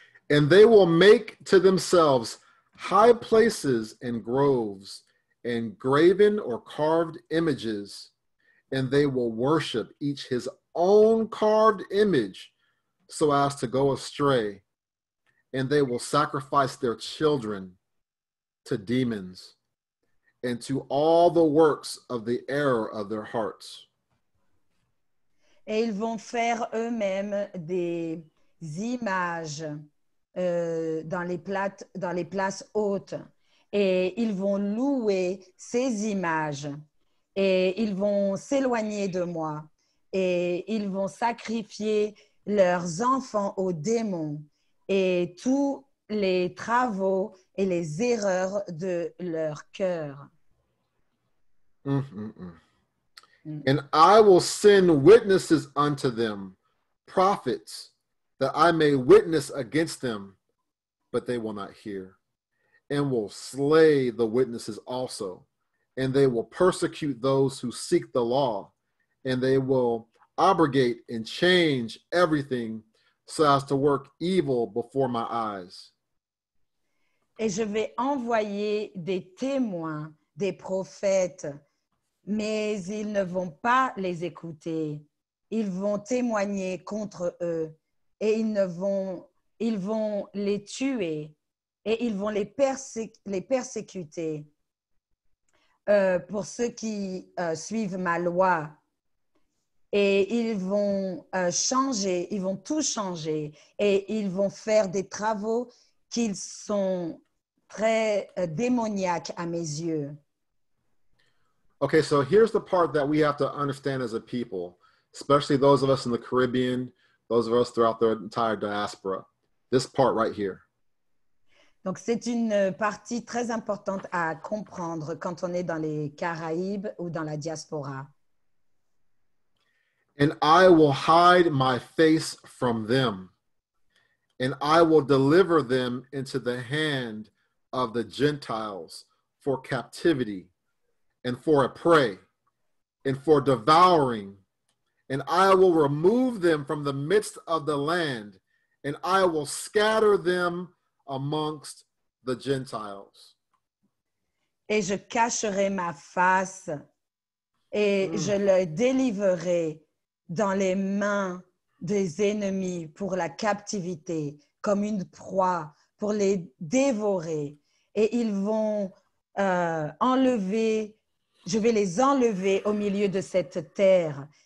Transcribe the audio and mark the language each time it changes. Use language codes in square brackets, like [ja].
[en] And they will make to themselves high places and groves and graven or carved images, and they will worship each his own carved image so as to go astray, and they will sacrifice their children to demons and to all the works of the error of their hearts. [fr] Et ils vont faire eux-mêmes des images dans les places hautes, et ils vont louer ces images et ils vont s'éloigner de moi et ils vont sacrifier leurs enfants aux démons et tous les travaux et les erreurs de leur cœur. [en] And I will send witnesses unto them, prophets, that I may witness against them, but they will not hear, and will slay the witnesses also, and they will persecute those who seek the law, and they will abrogate and change everything so as to work evil before my eyes. [fr] Et je vais envoyer des témoins, des prophètes, mais ils ne vont pas les écouter. Ils vont témoigner contre eux et ils vont les tuer et ils vont les persécuter pour ceux qui suivent ma loi. Et ils vont changer, ils vont tout changer et ils vont faire des travaux qu'ils sont très démoniaques à mes yeux. [en] Okay, so here's the part that we have to understand as a people, especially those of us in the Caribbean, those of us throughout the entire diaspora. This part right here. [fr] Donc c'est une partie très importante à comprendre quand on est dans les Caraïbes ou dans la diaspora. [en] And I will hide my face from them, and I will deliver them into the hand of the Gentiles for captivity and for a prey and for devouring. And I will remove them from the midst of the land, and I will scatter them amongst the Gentiles. [fr] Et je cacherai ma face et je le délivrerai dans les mains des ennemis pour la captivité, comme une proie, pour les dévorer. Et ils vont je vais les enlever au milieu de cette terre.